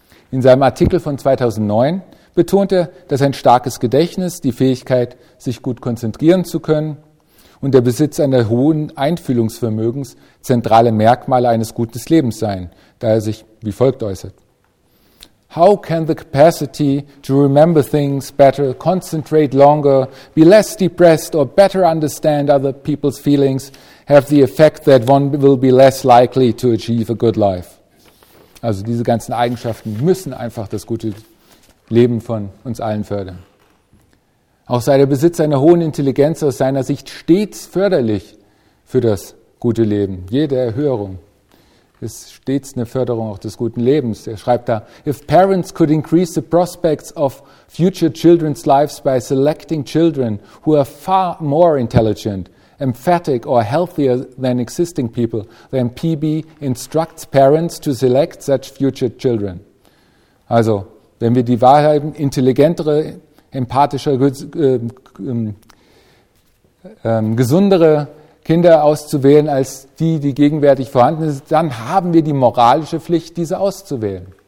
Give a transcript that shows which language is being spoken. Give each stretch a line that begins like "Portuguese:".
German: In seinem Artikel von 2009 betont er, dass ein starkes Gedächtnis, die Fähigkeit, sich gut konzentrieren zu können und der Besitz einer hohen Einfühlungsvermögens zentrale Merkmale eines guten Lebens seien, da er sich wie folgt äußert.
English: How can the capacity to remember things better, concentrate longer, be less depressed or better understand other people's feelings have the effect that one will be less likely to achieve a good life?
German: Also diese ganzen Eigenschaften müssen einfach das gute Leben von uns allen fördern. Auch sei der Besitz einer hohen Intelligenz aus seiner Sicht stets förderlich für das gute Leben. Jede Erhöhung ist stets eine Förderung auch des guten Lebens. Er schreibt da,
English: if parents could increase the prospects of future children's lives by selecting children who are far more intelligent, emphatic or healthier than existing people, then PB instructs parents to select such future children.
German: Also, wenn wir die Wahl haben, intelligentere, empathischer, gesundere Kinder auszuwählen als die, die gegenwärtig vorhanden sind, dann haben wir die moralische Pflicht, diese auszuwählen.